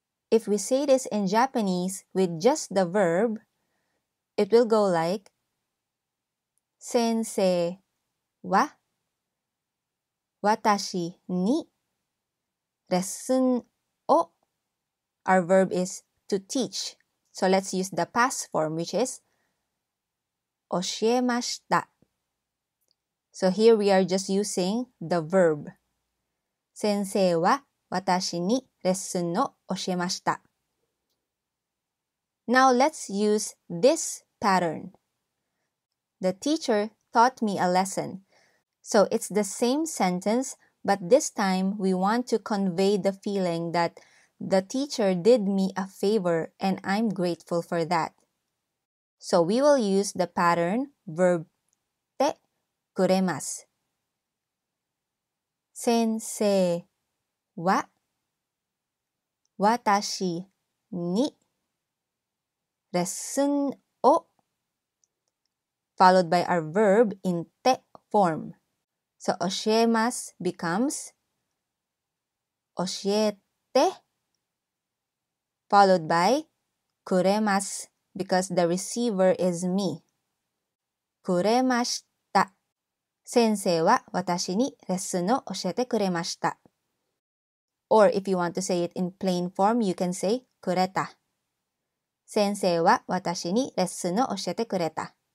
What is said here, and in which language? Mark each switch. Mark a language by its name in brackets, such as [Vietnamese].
[English] If we say this in Japanese with just the verb, it will go like, [Japanese] 先生は私にレッスンを [English] Our verb is to teach. So let's use the past form, which is 教えました。 So here we are just using the verb. [Japanese] 先生は私にレッスンを教えました。 [English] Now let's use this pattern. The teacher taught me a lesson. So it's the same sentence,But this time, we want to convey the feeling that the teacher did me a favor and I'm grateful for that. So we will use the pattern Verb-Te kuremasu. [Japanese] 先生は私にレッスンを [English] followed by our verb in te form. So, 教えます becomes [Japanese] 教えて [English] followed by くれます because the receiver is me. [Japanese] くれました。先生は私にレッスンを教えてくれました。 [English] Or if you want to say it in plain form, you can say くれた。 [Japanese] 先生は私にレッスンを教えてくれた。